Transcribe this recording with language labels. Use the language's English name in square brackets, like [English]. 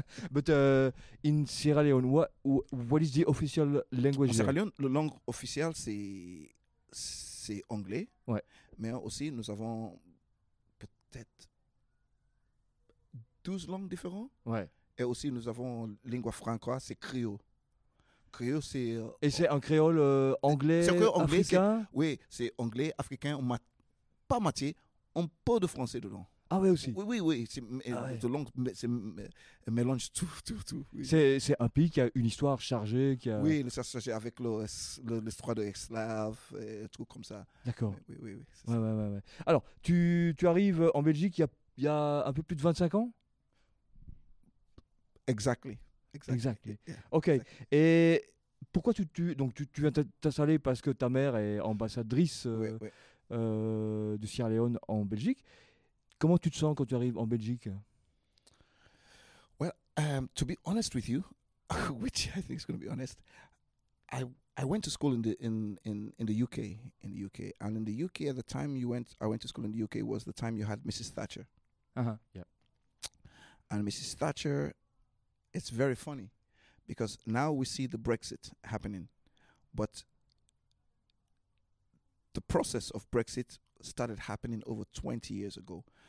[English] But in Sierra Leone, what is the official language? [French] Sierra Leone, la langue officielle, c'est anglais, ouais. Mais aussi nous avons peut-être 12 langues différentes, ouais. Et aussi nous avons lingua franca, c'est créole. Créole, c'est et c'est un créole anglais, c'est un créole anglais africain, c'est, oui, c'est anglais africain, pas moitié, un peu de français dedans. Ah oui aussi. Oui, c'est de langues, c'est mélange tout. Oui. C'est un pays qui a une histoire chargée, qui a. Oui, l'histoire chargée avec l'histoire de l'esclave et tout comme ça. D'accord. Oui, oui, oui. Ouais. Alors, tu arrives en Belgique il y a un peu plus de 25 ans. [English] Exactly. Yeah. Ok. Exactly. [French] Et pourquoi tu viens t'installer parce que ta mère est ambassadrice de Sierra Leone en Belgique. Comment tu te sens quand tu arrives en Belgique? [English] Well, to be honest with you, which I think is going to be honest, I went to school in the UK, and in the UK at the time I went to school in the UK was the time you had Mrs. Thatcher. And Mrs. Thatcher, it's very funny because now we see the Brexit happening, but the process of Brexit started happening over 20 years ago.